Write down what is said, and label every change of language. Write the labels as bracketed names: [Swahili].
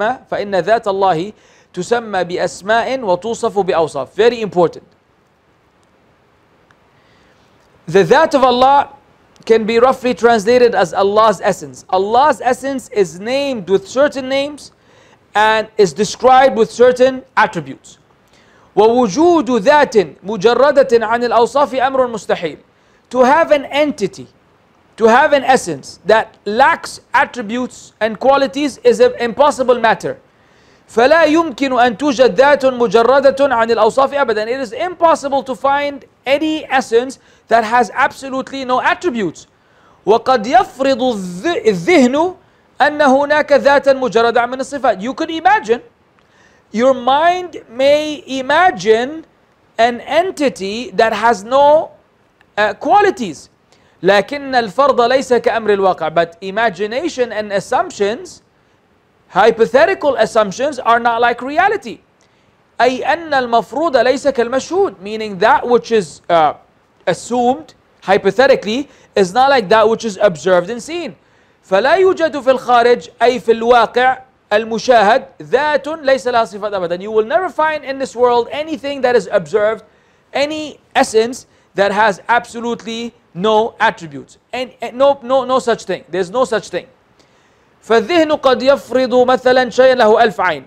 [Arabic] فإن ذات الله تسمى بأسماء وتوصف بأوصاف. [English] Very important. The ذات of Allah can be roughly translated as Allah's essence. Allah's essence is named with certain names and is described with certain attributes. [Arabic] ووجود ذات مجردة عن الأوصاف أمر مستحيل. [English] To have an entity, to have an essence that lacks attributes and qualities is an impossible matter. [Arabic] فلا يمكن أن توجد ذات مجردة عن الأوصاف أبدا. [English] It is impossible to find any essence that has absolutely no attributes. [Arabic] وقد يفرض الذهن أن هناك ذات مجردة من الصفات. [English] You could imagine, your mind may imagine an entity that has no qualities. [Arabic] لكن الفرض ليس كأمر الواقع. [English] But imagination and assumptions, hypothetical assumptions, are not like reality. [Arabic] أي أن المفروض ليس كالمشهود. [English] Meaning that which is assumed, hypothetically, is not like that which is observed and seen. [Arabic] فلا يوجد في الخارج, أي في الواقع المشاهد, ذات ليس لها صفات أبدا. [English] You will never find in this world anything that is observed, any essence that has absolutely no attributes. And no such thing. There's no such thing. [Arabic] فالذهن قد يفرض مثلا شيئا له ألف عين.